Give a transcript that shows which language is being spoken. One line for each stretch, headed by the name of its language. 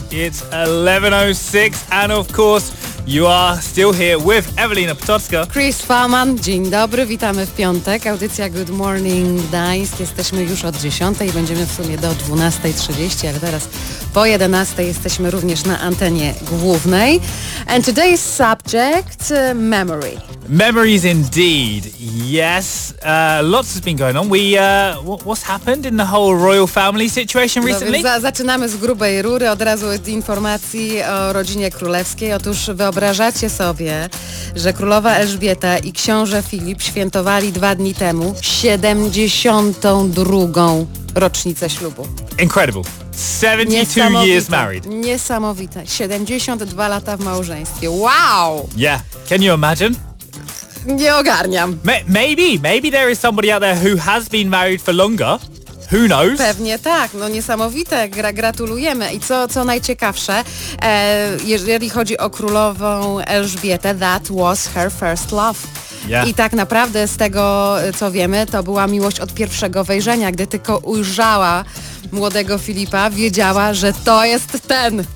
English: It's 11:06, and of course, you are still here with Evelina Potocka. Chris Farman.
Polish: Dzień dobry, witamy w piątek. Audycja Good Morning Gdańsk. Jesteśmy już od 10:00 i będziemy w sumie do 12:30, ale teraz po 11:00 jesteśmy również na antenie głównej.
English: And today's subject, memory. Memories indeed. Yes, lots has been going on. What's happened in the whole royal family situation recently?
Polish: Zaczynamy z grubej rury, od razu z informacji o rodzinie królewskiej. Otóż wyobrażacie sobie, że królowa Elżbieta i książę Filip świętowali dwa dni temu 72. rocznicę ślubu.
English: Incredible. 72 years married.
Polish: Niesamowite. 72 lata w małżeństwie. Wow!
English: Yeah. Can you imagine?
Polish: Nie ogarniam.
English: Maybe there is somebody out there who has been married for longer. Who knows?
Polish: Pewnie tak, no niesamowite, gratulujemy. I co najciekawsze, jeżeli chodzi o królową Elżbietę,
English: that was her first love. Yeah.
Polish: I tak naprawdę z tego, co wiemy, to była miłość od pierwszego wejrzenia, gdy tylko ujrzała młodego Filipa, wiedziała, że to jest ten.